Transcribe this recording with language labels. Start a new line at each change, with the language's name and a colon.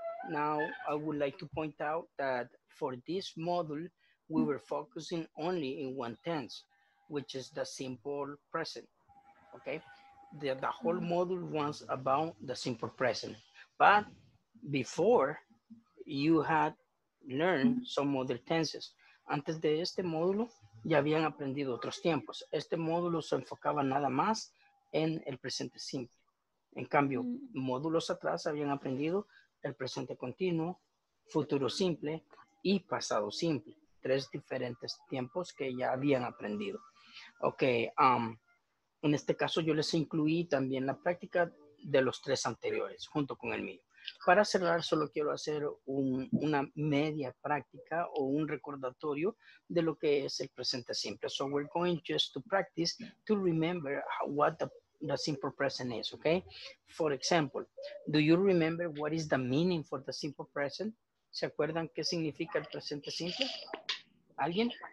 English: Now I would like to point out that for this module, we were focusing only in one tense, which is the simple present. Okay, the whole module was about the simple present. But before, you had learned some other tenses.
Spanish: Antes de este módulo, ya habían aprendido otros tiempos. Este módulo se enfocaba nada más en el presente simple. En cambio, módulos atrás habían aprendido el presente continuo, futuro simple y pasado simple. 3 diferentes tiempos que ya habían aprendido. Ok, en este caso yo les incluí también la práctica de los 3 anteriores junto con el mío. Para cerrar, solo quiero hacer una media práctica o un recordatorio de lo que es el presente simple.
English: So we're going just to practice to remember what the simple present is, okay? For example, do you remember what is the meaning for the simple present?
Spanish: ¿Se acuerdan qué significa el presente simple? ¿Alguien?